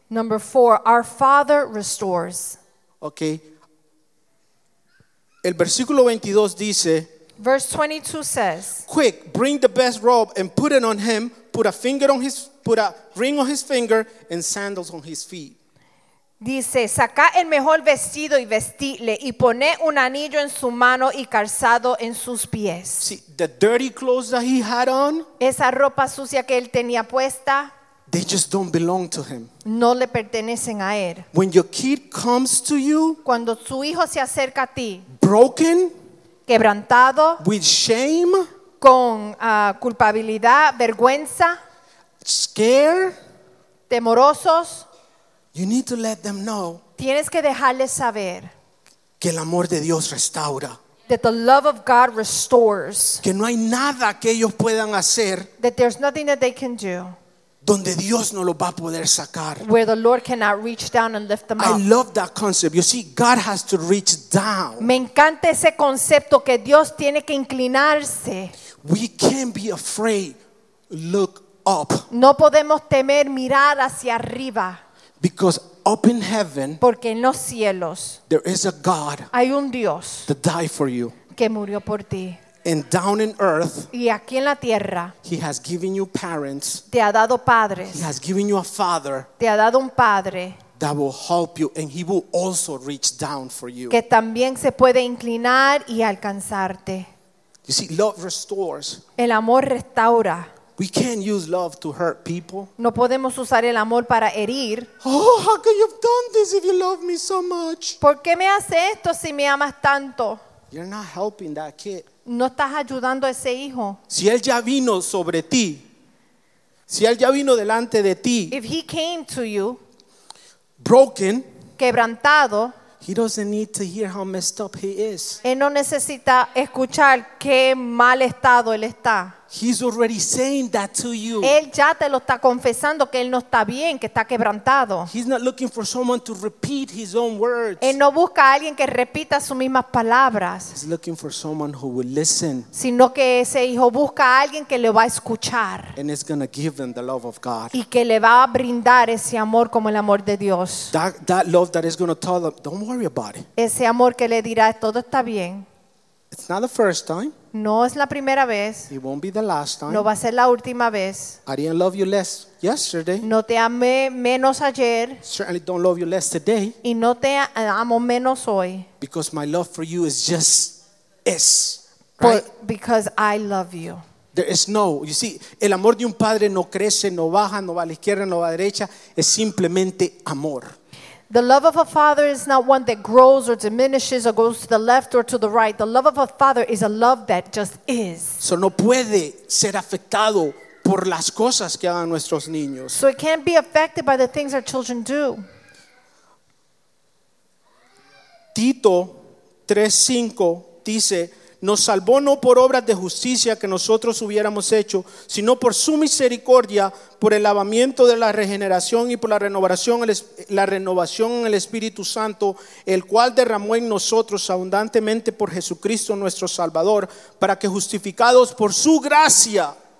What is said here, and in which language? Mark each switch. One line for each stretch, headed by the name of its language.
English: Number four, our Father restores. Okay.
Spanish: El versículo 22 dice,
English: verse 22 says, quick, bring the best robe and put it on him, put a ring on his finger and sandals on his feet.
Spanish: Dice, saca el mejor vestido y vestidle y poné un anillo en su mano y calzado en sus pies.
English: See, the dirty clothes that he had on,
Spanish: esa ropa sucia que él tenía puesta,
English: they just don't belong to him.
Spanish: No le pertenecen a él.
English: When your kid comes to you,
Spanish: cuando su hijo se acerca a ti,
English: broken,
Spanish: quebrantado,
English: with shame,
Spanish: con culpabilidad, vergüenza,
English: scared,
Spanish: temorosos,
English: you need to let them know.
Spanish: Tienes que dejarles saber que el amor de Dios restaura.
English: That the love of God restores.
Spanish: Que no hay nada que ellos puedan hacer.
English: That there's nothing that they can do.
Spanish: Donde Dios no lo va a poder sacar.
English: Where the Lord cannot reach down and lift them up. I love that concept. You see, God has to reach down.
Spanish: Me encanta ese concepto que Dios tiene que inclinarse.
English: We can't be afraid. Look up.
Spanish: No podemos temer mirar hacia arriba.
English: Because up in heaven,
Spanish: porque en los cielos,
English: there is a God,
Spanish: hay un Dios,
English: that died for you,
Spanish: que murió por ti.
English: And down in earth,
Spanish: y aquí en la tierra,
English: he has given you parents,
Spanish: te ha dado padres,
English: he has given you a father,
Spanish: te ha dado un padre,
English: that will help you, and he will also reach down for you,
Spanish: que también se puede inclinar y alcanzarte.
English: You see, love restores.
Spanish: El amor restaura.
English: We can't use love to hurt people.
Spanish: No podemos usar el amor para herir.
English: Oh, how could you have done this if you love me so much?
Spanish: ¿Por qué me hace esto si me amas tanto?
English: You're not helping that kid.
Spanish: No estás ayudando a ese hijo. Si él ya vino sobre ti, si él ya vino delante de ti,
English: if he came to you, broken,
Spanish: quebrantado,
English: he doesn't need to hear how messed up he is.
Spanish: Él no necesita escuchar qué mal estado él está.
English: He's already saying that to you.
Spanish: Él ya te lo está confesando que él no está bien, que está quebrantado.
English: He's not looking for someone to repeat his own words.
Spanish: Él no busca a alguien que repita sus mismas palabras.
English: He's looking for someone who will listen.
Spanish: Sino que ese hijo busca a alguien que le va a escuchar.
English: And it's going to give them the love of God.
Spanish: Y que le va a brindar ese amor como el amor de Dios.
English: That love that is going to tell them, don't worry about it.
Spanish: Ese amor que le dirá, todo está bien.
English: It's not the first time.
Spanish: No es la primera vez.
English: It won't be the last time.
Spanish: No va a ser la última vez.
English: I didn't love you less yesterday.
Spanish: No te amé menos ayer.
English: Certainly don't love you less today.
Spanish: Y no te amo menos hoy.
English: Because my love for you is just is. But right? Because I love you. There is no, you see,
Spanish: el amor de un padre no crece, no baja, no va a la izquierda, no va a la derecha. Es simplemente amor.
English: The love of a father is not one that grows or diminishes or goes to the left or to the right. The love of a father is a love that just is.
Spanish: So no puede ser afectado por las cosas que hagan nuestros niños.
English: So it can't be affected by the things our children do.
Spanish: Tito 3:5 dice, nos salvó no por obras de justicia que nosotros hubiéramos hecho, sino por su misericordia, por el lavamiento de la regeneración y por la renovación en el Espíritu Santo, el cual derramó en nosotros abundantemente por Jesucristo nuestro Salvador, para que justificados por su gracia